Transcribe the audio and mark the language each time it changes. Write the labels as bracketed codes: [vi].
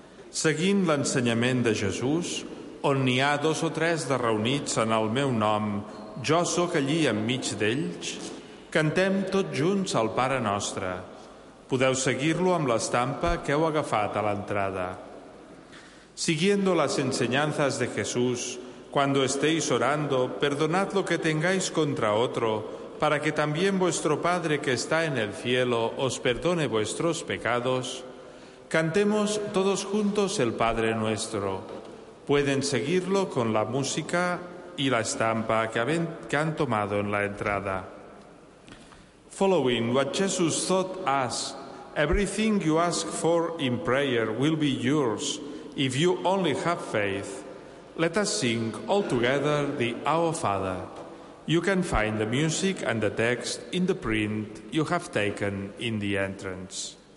[ca] Seguint l'ensenyament de Jesús, on n'hi ha dos o tres de reunits en el meu nom, jo sóc allí enmig d'ells, cantem tots junts el Pare Nostre. Podeu seguir-lo amb l'estampa que heu agafat a l'entrada. [es] Siguiendo las enseñanzas de Jesús, cuando estéis orando, perdonad lo que tengáis contra otro, para que también vuestro Padre que está en el cielo os perdone vuestros pecados, cantemos todos juntos el Padre Nuestro. Pueden seguirlo con la música y la estampa que han tomado en la entrada. [en] Following what Jesus taught us, everything you ask for in prayer will be yours if you only have faith. Let us sing all together the Our Father. You can find the music and the text in the print you have taken in the entrance.